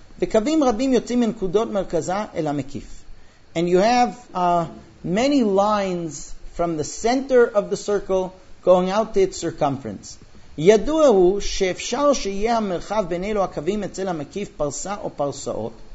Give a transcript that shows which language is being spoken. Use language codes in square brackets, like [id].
[he] וקווים רבים יוצאים מנקודות מרכזה אל המקיף. [en] And you have many lines from the center of the circle going out to its circumference. [he] ידוע הוא שאפשר שיהיה המרחב בין אלו הקווים אצל המקיף פרסה או פרסאות.